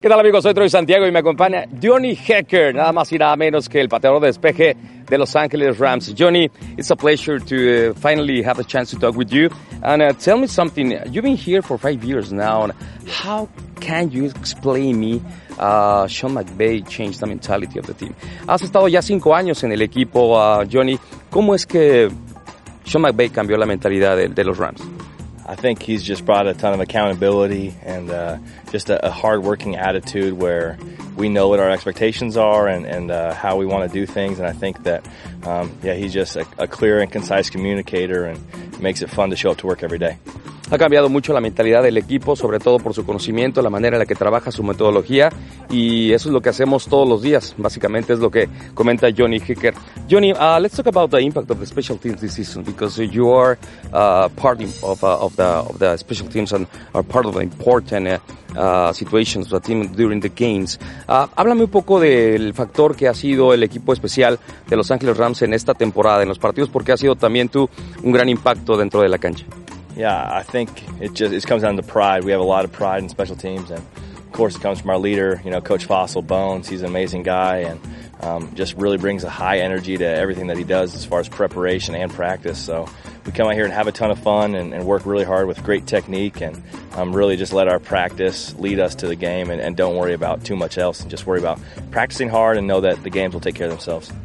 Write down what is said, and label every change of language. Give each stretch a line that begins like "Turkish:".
Spanish: ¿Qué tal, amigos? Soy Troy Santiago y me acompaña Johnny Hecker, nada más y nada menos que el pateador de despeje de Los Angeles Rams.
English: Johnny, it's a pleasure to finally have a chance to talk with you. And tell me something. You've been here for 5 years now. How can you explain me Sean McVay changed the mentality of the team?
Spanish: Has estado ya 5 años en el equipo, Johnny. ¿Cómo es que Sean McVay cambió la mentalidad de los Rams?
English: I think he's just brought a ton of accountability and just a hard-working attitude where we know what our expectations are and how we want to do things. And I think that, he's just a clear and concise communicator and makes it fun to show up to work every day.
Spanish: Ha cambiado mucho la mentalidad del equipo, sobre todo por su conocimiento, la manera en la que trabaja, su metodología, y eso es lo que hacemos todos los días. Básicamente es lo que comenta Johnny Hecker.
English: Johnny, let's talk about the impact of the special teams this season, because you are part of the special teams and are part of the important situations of the team during the games.
Spanish: Háblame un poco del factor que ha sido el equipo especial de Los Angeles Rams en esta temporada, en los partidos, porque ha sido también tú un gran impacto dentro de la cancha.
English: Yeah, I think it comes down to pride. We have a lot of pride in special teams, and of course it comes from our leader, you know, Coach Fossil Bones. He's an amazing guy and just really brings a high energy to everything that he does as far as preparation and practice. So we come out here and have a ton of fun and work really hard with great technique and really just let our practice lead us to the game and don't worry about too much else and just worry about practicing hard and know that the games will take care of themselves.